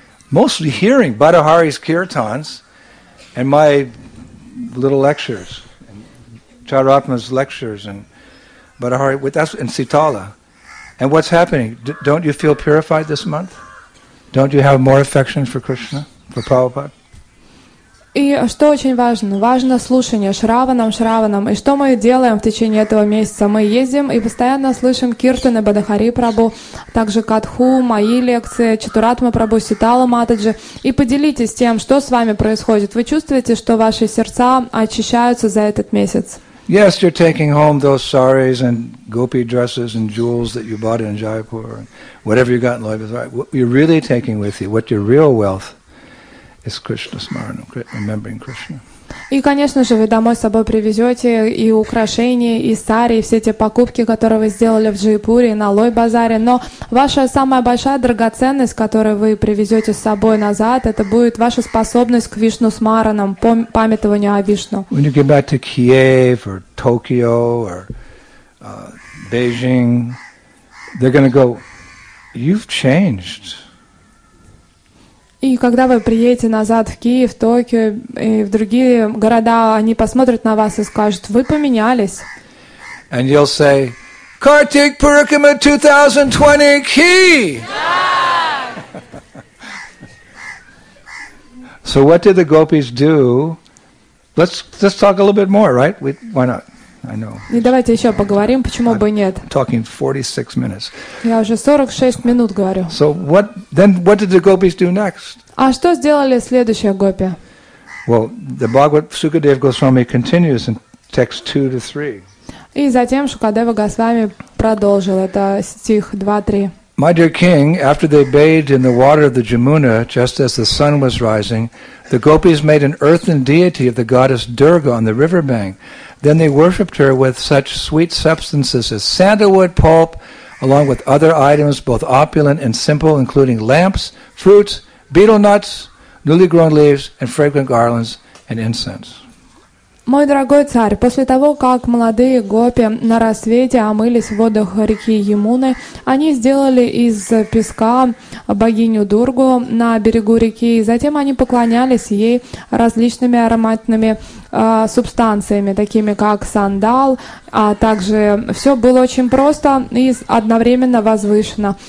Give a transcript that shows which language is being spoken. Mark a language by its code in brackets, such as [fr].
[en] Mostly hearing Badahari's kirtans and my little lectures, and Charatma's lectures and Badahari, that's in Sitala. And what's happening? Don't you feel purified this month? Don't you have more affection for Krishna, for Prabhupada? [ru] И что очень важно? Важно слушание Шраванам, Шраванам. И что мы делаем в течение этого месяца? Мы ездим и постоянно слышим киртаны Бадахари Прабу, также катху, мои лекции, Чатуратма Прабу, Ситала Матаджи. И поделитесь тем, что с вами происходит. Вы чувствуете, что ваши сердца очищаются за этот месяц? [en] Yes, you're taking home those saris and gopi dresses and jewels that you bought in Jaipur, whatever you got in Loibath. What you're really taking with you, what your real wealth is Krishna Smarana, remembering Krishna. [ru] И, конечно же, вы домой с собой привезете и украшения, и сари, и все те покупки, которые вы сделали в Джайпуре, на Лой-базаре. Но ваша самая большая драгоценность, которую вы привезете с собой назад, это будет ваша способность к Вишну Смаранам, памятованию о Вишну. [en] When you get back to Kiev or Tokyo or Beijing, they're going to go, you've changed. [ru] И когда вы приедете назад в Киев, Токио и в другие города, они посмотрят на вас и скажут, вы поменялись. [en] And you'll say, Kartik Purukkama 2020 key! Yeah! So what did the gopis do? Let's talk a little bit more, right? Why not? I know. [ru] И давайте еще поговорим, почему бы нет. [en] Talking 46 minutes. [ru] Я уже 46 минут говорю. [en] So what? Then what did the gopis do next? [ru] А что сделали следующие гопи? [en] Well, the Bhagavad Sukadeva Goswami continues in text 2 to 3. [ru] И затем Шукадева Госвами продолжил это стих 2-3. [en] My dear king, after they bathed in the water of the Jamuna, just as the sun was rising, the gopis made an earthen deity of the goddess Durga on the river bank. Then they worshipped her with such sweet substances as sandalwood pulp, along with other items, both opulent and simple, including lamps, fruits, betel nuts, newly grown leaves, and fragrant garlands and incense. [ru] Мой дорогой царь, после того, как молодые гопи на рассвете омылись в водах реки Ямуны, они сделали из песка богиню Дургу на берегу реки, и затем они поклонялись ей различными ароматными субстанциями, такими как сандал, а также все было очень просто и одновременно возвышено.